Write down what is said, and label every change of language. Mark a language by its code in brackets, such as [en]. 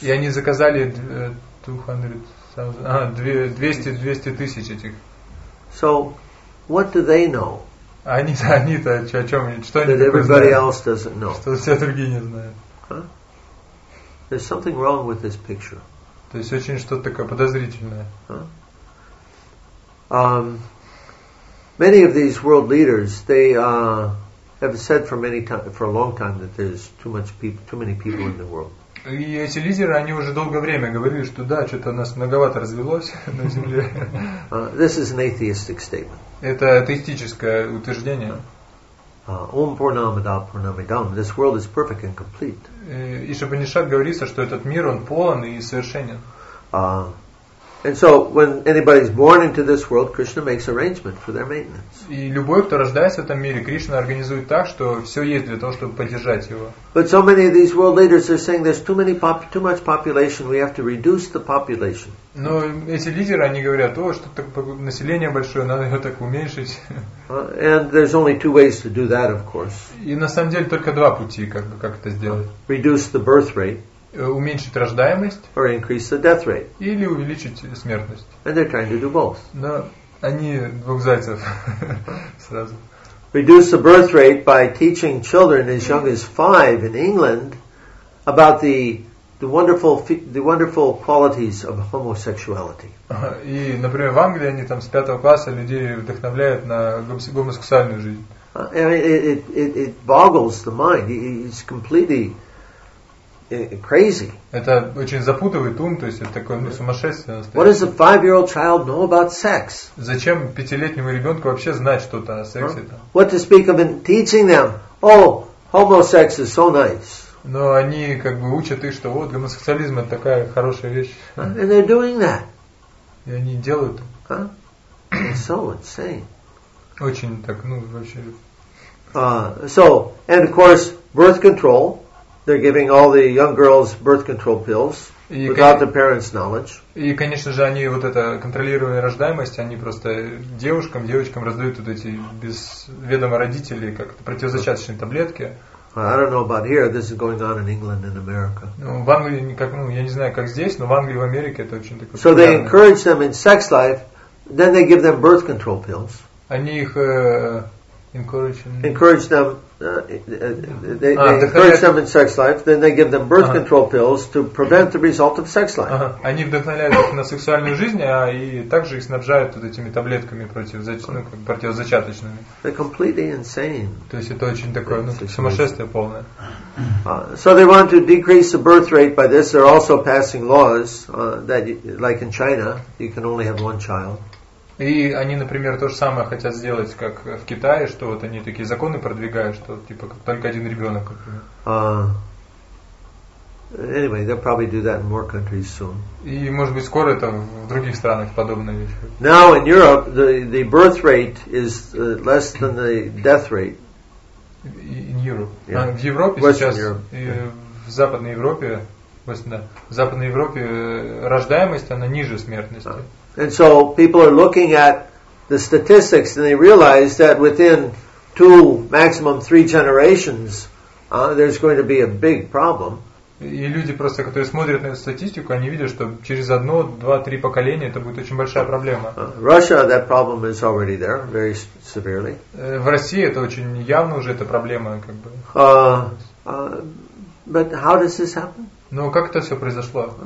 [ru] И они заказали 200 тысяч этих. [en] So, what do they know? [ru] Они-то о чем? Что они? [en] That everybody else doesn't know. [ru] Что все другие не знают. [en] There's something wrong with this picture. [ru] То есть очень что-то такое подозрительное. [en] Many of these world leaders, they have said for many time, for a long time, that there's too many people in the world. [ru] И эти лидеры, они уже долгое время говорили, что да, что-то у нас многовато развелось на земле. [en] This is an atheistic statement. [ru] Это атеистическое утверждение. [sa] Ом пурнамида пурнамидам. [en] This world is perfect and complete. [ru] И Шабанишат говорится, что этот мир он полон и совершенен. [en] And so, when anybody is born into this world, Krishna makes arrangement for their maintenance. [ru] И любой, кто рождается в этом мире, Кришна организует так, что все есть для того, чтобы поддержать его. [en] But so many of these world leaders are saying there's too much population. We have to reduce the population. [ru] Но эти лидеры, они говорят, о, что население большое, надо его так уменьшить. [en] And there's only two ways to do that, of course. [ru] И на самом деле только два пути, как это сделать. [en] Reduce the birth rate. [ru] Уменьшить рождаемость, [en] or increase the death rate. [ru] Или увеличить смертность. [en] And they're trying to do both. [ru] Но они двух зайцев сразу. [en] Reduce the birth rate by teaching children as young as 5 in England about the the wonderful qualities of homosexuality. [ru] И, например, в Англии они там с пятого класса людей вдохновляют на гомосексуальную жизнь. [en] It boggles the mind. It's completely crazy. [ru] Это очень запутывает ум, то есть это такое сумасшествие. [en] What does a five-year-old child know about sex? [ru] Зачем пятилетнему ребенку вообще знать что-то о сексе? [en] What to speak of in teaching them? Oh, homosex is so nice. [ru] Но они как бы учат их, что вот гомосексуализм это такая хорошая вещь. [en] And they're doing that. [ru] И они делают. [en] So insane. [ru] Очень так, ну вообще. [en] So and of course birth control. They're giving all the young girls birth control pills without the parents' knowledge. [ru] И конечно же они вот это контролируя рождаемость, они просто девушкам, девочкам раздают вот эти без ведома родителей как противозачаточные таблетки. [en] I don't know about here. This is going on in England and America. [ru] Ну в Англии как, ну я не знаю как здесь, но в Англии, в Америке это очень такое. [en] So they encourage them in sex life, then they give them birth control pills. [ru] Они их [en] encourage them. They encourage them in sex life, then they give them birth control pills to prevent the result of sex life. [ru] Они вдохновляют их на сексуальную жизнь, а и также их снабжают вот этими таблетками противозачаточными. [en] They're completely insane. [ru] То есть это очень такое, ну, сумасшествие полное. [en] So they want to decrease the birth rate by this. They're also passing laws that, like in China, you can only have one child. [ru] И они, например, то же самое хотят сделать, как в Китае, что вот они такие законы продвигают, что типа только один ребенок. [en] Anyway, they'll probably do that in more countries soon. [ru] И, может быть, скоро это в других странах подобная вещь. [en] Now in Europe, the birth rate is less than the death rate. In Europe. Yeah. [ru] В Европе [en] Western [ru] сейчас, [en] Europe. [ru] И в Западной Европе, в Западной Европе рождаемость, она ниже смертности. [en] And so people are looking at the statistics and they realize that within two, maximum three generations, there's going to be a big problem. [ru] И люди просто, которые смотрят на эту статистику, они видят, что через одно, два, три поколения это будет очень большая проблема. [en] Russia, that problem is already there, very severely. [ru] В России это очень явно уже эта проблема, как бы. [en] But how does this happen? [ru] Ну, как это все произошло?